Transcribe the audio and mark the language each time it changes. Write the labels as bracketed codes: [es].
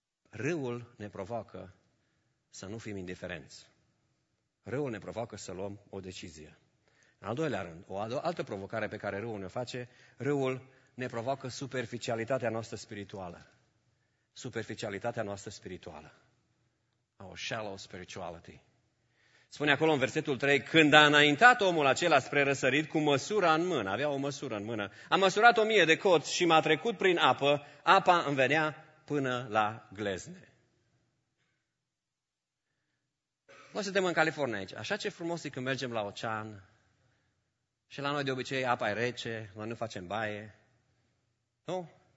[ro] Râul ne provoacă să nu fim indiferenți. Râul ne provoacă să luăm o decizie. În al doilea rând, o altă provocare pe care râul ne-o face, râul ne provoacă superficialitatea noastră spirituală. Superficialitatea noastră spirituală. [en] Our shallow spirituality. [ro] Spune acolo în versetul 3, când a înaintat omul acela spre răsărit cu măsura în mână, avea o măsură în mână, a măsurat 1000 de coți și m-a trecut prin apă, apa îmi venea până la glezne. Noi suntem în California aici. Așa ce frumos e când mergem la ocean și la noi de obicei apa e rece, noi nu facem baie. Nu?